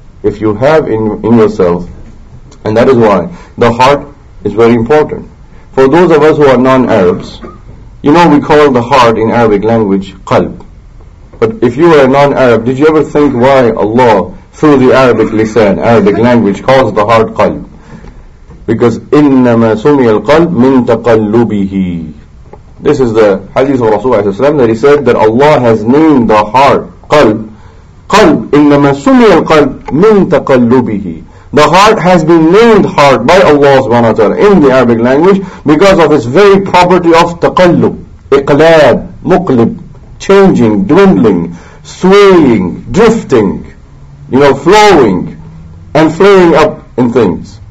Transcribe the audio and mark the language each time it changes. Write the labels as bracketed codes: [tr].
[en] If you have in yourself, and that is why the heart is very important. For those of us who are non-Arabs, you know, we call the heart in Arabic language qalb. But if you are a non-Arab, did you ever think why Allah, through the Arabic lisan, Arabic language, calls the heart qalb? [ar] Because إِنَّمَا سُمِيَ الْقَلْبِ مِنْ تَقَلُّبِهِ. [en] This is the hadith of Rasulullah ﷺ that he said that Allah has named the heart qalb. [ar] قَلْبِ إِنَّمَا سُمِيَ الْقَلْبِ مِنْ تَقَلُّبِهِ. [en] The heart has been named heart by Allah subhanahu wa ta'ala in the Arabic language because of its very property of تَقَلُّب, إِقْلَاب, مُقْلِب, changing, dwindling, swaying, drifting, you know, flowing and flaring up in things.